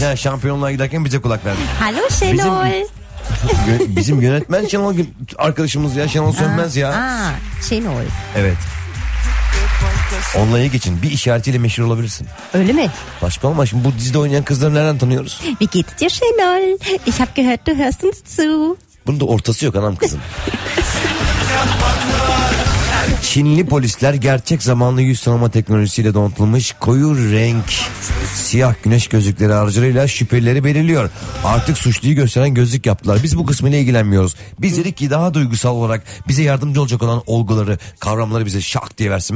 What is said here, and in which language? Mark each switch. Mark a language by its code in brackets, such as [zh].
[tr] Ya şampiyonluğa giderken bize kulak verdi. Alo Şenol. Bizim yönetmen Şenol arkadaşımız ya. Şenol Sönmez ya. Aa, Şenol. Evet. Onunla iyi geçin. Bir işaretiyle meşhur olabilirsin. Öyle mi? Başka olma. Şimdi bu dizide oynayan kızları nereden tanıyoruz? [de] Wie geht dir Şenol? Ich hab gehört du hörst uns zu. [tr] Bunun da ortası yok anam kızım. Çinli polisler gerçek zamanlı yüz tanıma teknolojisiyle donatılmış koyu renk siyah güneş gözlükleri aracılığıyla şüphelileri belirliyor. Artık suçluyu gösteren gözlük yaptılar. Biz bu kısmıyla ilgilenmiyoruz. Biz dedik ki daha duygusal olarak bize yardımcı olacak olan olguları, kavramları bize şak diye versin.